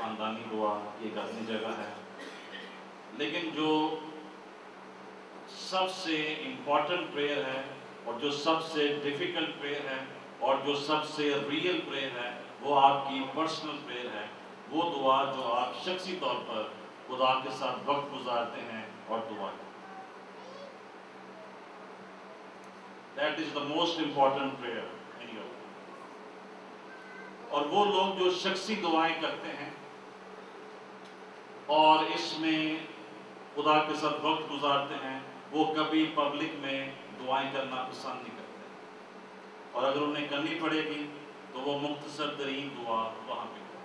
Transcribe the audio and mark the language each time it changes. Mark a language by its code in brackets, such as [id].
[hi] खानदानी दुआ की एक अपनी जगह है। लेकिन जो सबसे इम्पोर्टेंट प्रेयर है और जो सबसे डिफिकल्ट प्रेयर है और जो सबसे रियल प्रेयर है वो आपकी पर्सनल प्रेयर है। वो दुआ जो आप शख्सी तौर पर खुदा के साथ वक्त गुजारते हैं और दुआ करते हैं। [en] That is the most important prayer in your life. [hi] और वो लोग जो शख्सी दुआएं करते हैं और इसमें खुदा के साथ वक्त गुजारते हैं वो कभी पब्लिक में दुआएं करना पसंद नहीं करते। और अगर उन्हें करनी पड़ेगी तो वो मुख्तसर तरीन दुआ वहां पे।